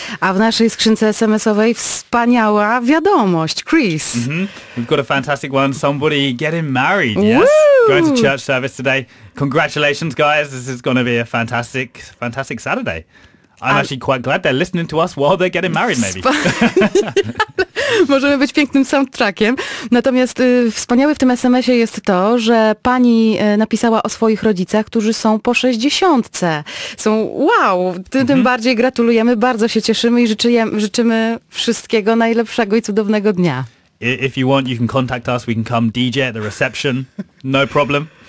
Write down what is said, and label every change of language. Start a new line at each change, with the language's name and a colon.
Polish: A w naszej skrzynce SMS-owej wspaniała wiadomość, Chris. Mm-hmm.
English: We've got a fantastic one. Somebody getting married, yes? Woo! Going to church service today. Congratulations, guys. This is going to be a fantastic, fantastic Saturday. I'm actually quite glad they're listening to us while they're getting married, maybe.
Polish: Możemy być pięknym soundtrackiem. Natomiast wspaniałe w tym SMS-ie jest to, że pani napisała o swoich rodzicach, którzy są po 60. Są wow, tym bardziej gratulujemy, bardzo się cieszymy i życzymy wszystkiego najlepszego i cudownego dnia.
English: If you want, you can contact us, we can come DJ at the reception, no problem.